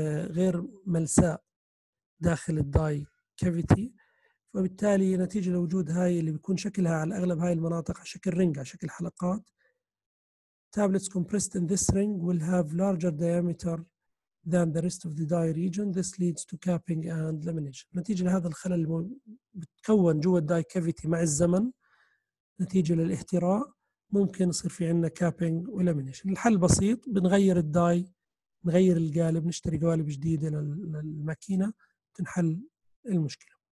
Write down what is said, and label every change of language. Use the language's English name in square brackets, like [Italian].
[Arabic] غير ملساء داخل الداي كافيتي، فبالتالي نتيجه لوجود هاي اللي بيكون شكلها على اغلب هاي المناطق على شكل رينج، على شكل حلقات. [English] Tablets compressed in this ring will have larger diameter than the rest of the dye region. This leads to capping and lamination. [Arabic] نتيجة لهذا الخلل اللي بتكون جوا الداي كافيتي مع الزمن نتيجة للاهتراء ممكن يصير في عندنا capping ولامينيشن. الحل بسيط، بنغير الداي، نغير القالب، نشتري قوالب جديدة للماكينة، تنحل المشكلة.